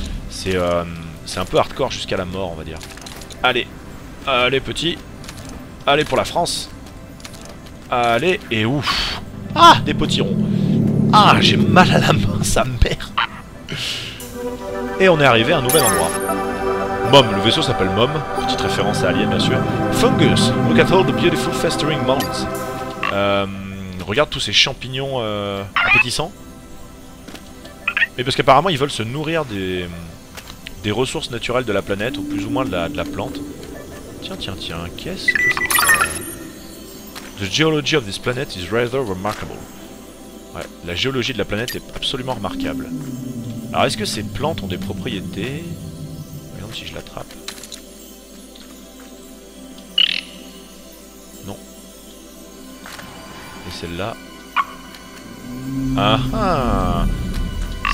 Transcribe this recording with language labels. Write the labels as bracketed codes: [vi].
[fr] C'est un peu hardcore jusqu'à la mort, on va dire. Allez, allez petit, allez pour la France. Allez, et ouf. Ah, des potirons. Ah, j'ai mal à la main, sa mère. Et on est arrivé à un nouvel endroit. Mom, le vaisseau s'appelle Mom. Petite référence à Alien, bien sûr. [en] Fungus, look at all the beautiful festering mounds. [fr] Regarde tous ces champignons appétissants. Et parce qu'apparemment, ils veulent se nourrir des ressources naturelles de la planète, ou plus ou moins de la plante. Tiens, qu'est-ce que c'est que ça ? [en] The geology of this planet is rather remarkable. [fr] Ouais, la géologie de la planète est absolument remarquable. Alors, est-ce que ces plantes ont des propriétés ? Regarde si je l'attrape. Non. Et celle-là ? Ah ah !